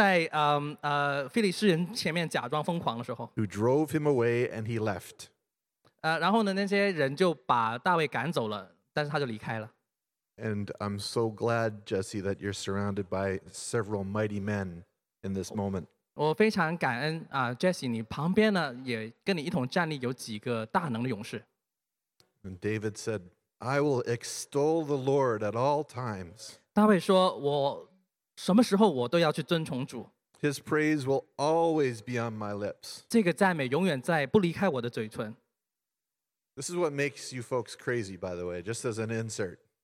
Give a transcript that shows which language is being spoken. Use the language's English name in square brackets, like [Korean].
[Chinese] 当他在腓力士人前面假装疯狂的时候, [English] who drove him away and he left. [Chinese] 然后呢，那些人就把大卫赶走了，但是他就离开了。 [English] And I'm so glad, Jesse, that you're surrounded by several mighty men in this moment. [Chinese] 我非常感恩, Jesse, 你旁边呢, 也跟你一同站立有几个大能的勇士。 [English] And David said, I will extol the Lord at all times. [Chinese] 大卫说, 我什么时候我都要去尊崇主。 [English] His praise will always be on my lips. [Chinese] 这个赞美永远在不离开我的嘴唇。 [English] This is what makes you folks crazy, by the way, just as an insert.